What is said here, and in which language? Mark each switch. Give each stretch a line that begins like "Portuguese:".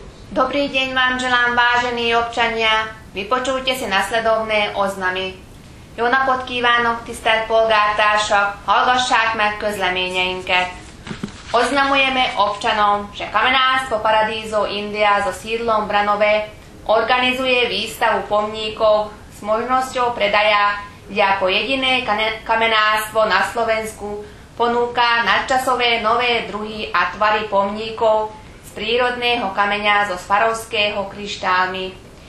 Slovak: Dobrý deň vám želám, vážení občania. Vypočujte si nasledovné oznamy.
Hungarian: Jó napot kívánok, tisztelt polgártársak! Hallgassák meg közleményeinket!
Slovak: Oznamujeme občanom, že Kamenárstvo Paradízo India so sídlom Branové organizuje výstavu pomníkov s možnosťou predaja, kde ako jediné kamenárstvo na Slovensku ponúka nadčasové nové druhy a tvary pomníkov z prírodného kameňa zo Svarovského kryštálmi.